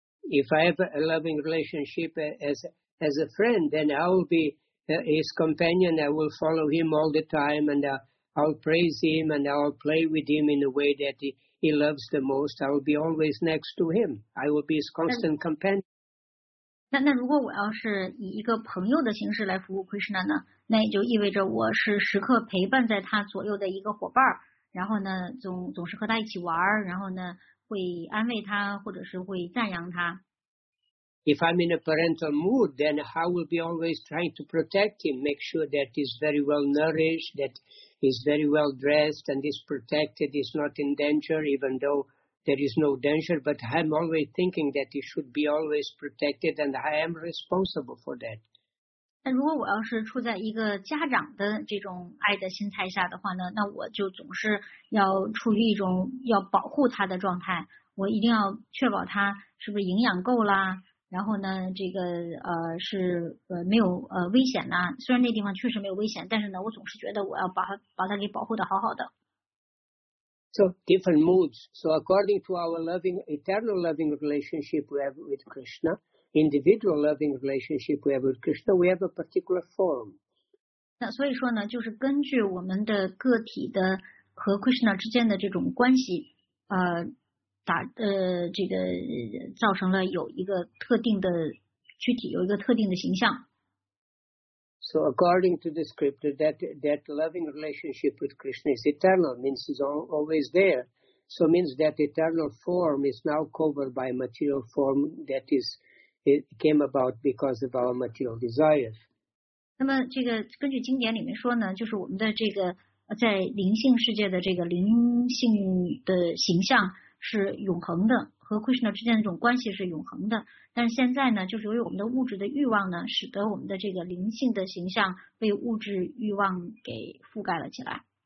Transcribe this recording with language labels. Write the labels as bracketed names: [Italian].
[English] If I have a loving relationship as a friend, then I will be his companion. I will follow him all the time, and I'll praise him, and I'll play with him in the way that he loves the most. I will be always next to him. I will be his constant companion. [Chinese] 那如果我要是以一个朋友的形式来服务 Krishna 呢，那也就意味着我是时刻陪伴在他左右的一个伙伴，然后呢总是和他一起玩，然后呢会安慰他或者是会赞扬他。 [English] If I'm in a parental mood, then I will be always trying to protect him, make sure that he's very well nourished, that he's very well dressed and is protected, he's not in danger, even though there is no danger, but I'm always thinking that he should be always protected, and I am responsible for that. [Chinese] 那如果我要是处在一个家长的这种爱的心态下的话呢，那我就总是要处于一种要保护他的状态，我一定要确保他是不是营养够啦，然后呢，这个是没有危险呐。虽然那地方确实没有危险，但是呢，我总是觉得我要把他给保护的好好的。 [English] So different moods. So according to our loving, eternal loving relationship we have with Krishna, individual loving relationship we have with Krishna, we have a particular form. [Chinese] 那所以说呢，就是根据我们的个体的和 Krishna 之间的这种关系，这个造成了有一个特定的躯体，有一个特定的形象。 [English] So according to the scripture, that loving relationship with Krishna is eternal, means he's always there. So means that eternal form is now covered by material form that is it came about because of our material desires. [Chinese] 那么这个根据经典里面说呢，就是我们的这个在灵性世界的这个灵性的形象是永恒的，和 Krishna 之间的这种关系是永恒的。但是现在呢，就是由于我们的物质的欲望呢，使得我们的这个灵性的形象被物质欲望给覆盖了起来。